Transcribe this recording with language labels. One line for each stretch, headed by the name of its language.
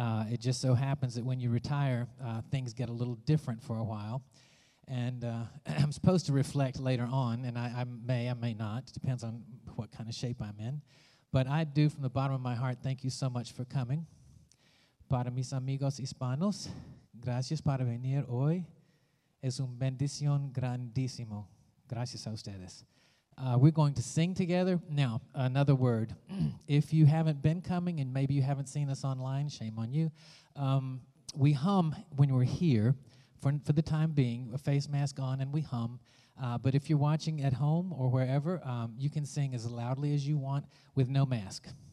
English: It just so happens that when you retire, things get a little different for a while, and I'm supposed to reflect later on, and I may not, it depends on what kind of shape I'm in, but I do, from the bottom of my heart, thank you so much for coming.
Spanish: Para mis amigos hispanos, gracias por venir hoy. Es un bendición grandísimo. Gracias a ustedes.
English: We're going to sing together. Now, another word. If you haven't been coming and maybe you haven't seen us online, shame on you. We hum when we're here for the time being, a face mask on, and we hum. But if you're watching at home or wherever, you can sing as loudly as you want with no mask.